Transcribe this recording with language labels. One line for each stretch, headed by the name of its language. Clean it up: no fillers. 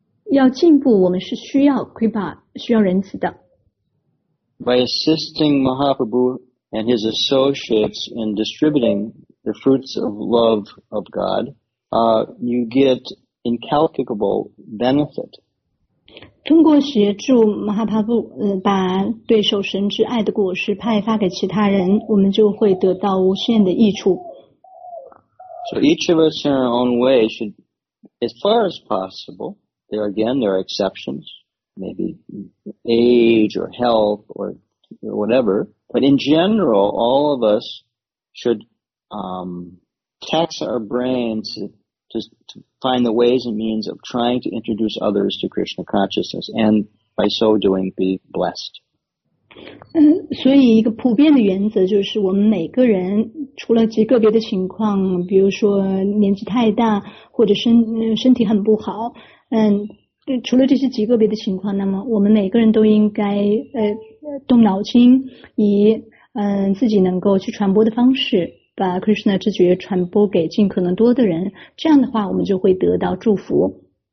Chinese: 要进步，我们是需要 Kripa, 需要仁慈的。
English: By assisting Mahaprabhu and his associates in distributing the fruits of love of God, you get incalculable benefit.
Chinese: 通过协助马哈帕布把对受神之爱的果实派发给其他人，我们就会得到无限的益处。
English: So each of us in our own way should, as far as possible, there again, there are exceptions, maybe age or health or whatever, but in general, all of us should tax our brains to find the ways and means of trying to introduce others to Krishna consciousness and by so doing be blessed.
Chinese: 所以一个普遍的原则就是我们每个人除了极个别的情况比如说年纪太大或者身体很不好除了这些极个别的情况那么我们每个人都应该动脑筋以自己能够去传播的方式把 Krishna 之觉传播给尽可能多的人，这样的话我们就会得到祝福。